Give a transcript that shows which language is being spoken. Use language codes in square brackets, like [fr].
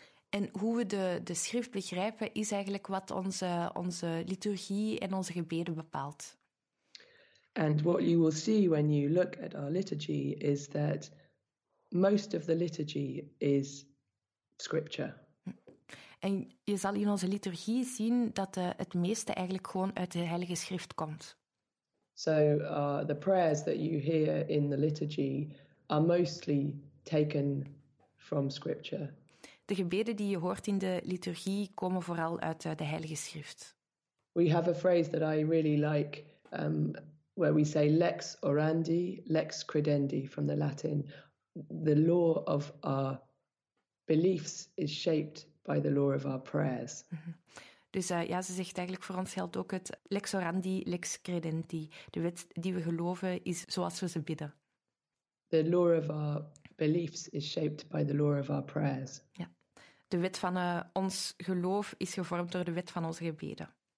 [nl] En hoe we de schrift begrijpen, is eigenlijk wat onze liturgie en onze gebeden bepaalt. [en] And what you will see when you look at our liturgy is that most of the liturgy is Scripture. [nl] En je zal in onze liturgie zien dat het meeste eigenlijk gewoon uit de Heilige Schrift komt. [en] So the prayers that you hear in the liturgy are mostly taken from Scripture. [nl] De gebeden die je hoort in de liturgie komen vooral uit de Heilige Schrift. [en] We have a phrase that I really like, where we say [la] lex orandi, lex credendi, [en] from the Latin. The law of our beliefs is shaped by the law of our prayers. [nl] Dus ja, ze zegt eigenlijk, voor ons geldt ook het [la] lex orandi, lex credendi. [nl] De wet die we geloven is zoals we ze bidden. [en] The law of our beliefs is shaped by the law of our prayers. [nl] Ja. De wet van ons geloof is gevormd door de wet van onze gebeden.